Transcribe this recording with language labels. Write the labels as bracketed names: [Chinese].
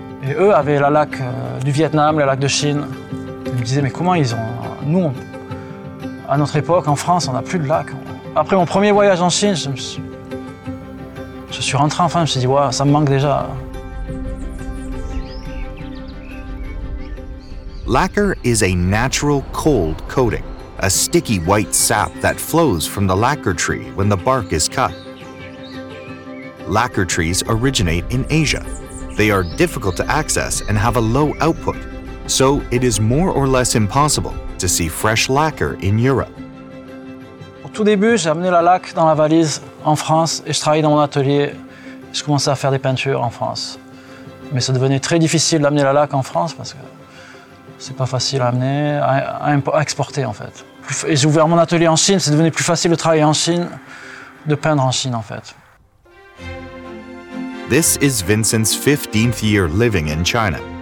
[French] Et eux avaient la laque du Vietnam, la laque de Chine. Ils me disaient, mais comment ils ont... Nous, on... à notre époque, en France, on n'a plus de laque. Après mon premier voyage en Chine, je suis rentré enfin, je me suis dit, ouais, ça me manque déjà. [English] Lacquer is a natural cold coating, a sticky white sap that flows from the lacquer tree when the bark is cut. Lacquer trees originate in Asia. They are difficult to access and have a low output, so it is more or less impossible to see fresh lacquer in Europe. [French] Au tout début, j'ai amené la laque dans la valise en France et je travaillais dans mon atelier. Je commençais à faire des peintures en France, mais ça devenait très difficile d'amener la laque en France parce que c'est pas facile à amener, à exporter en fait. Et j'ai ouvert mon atelier en Chine, c'est devenu plus facile de travailler en Chine, de peindre en Chine en fait. [English] This is Vincent's 15th year living in China.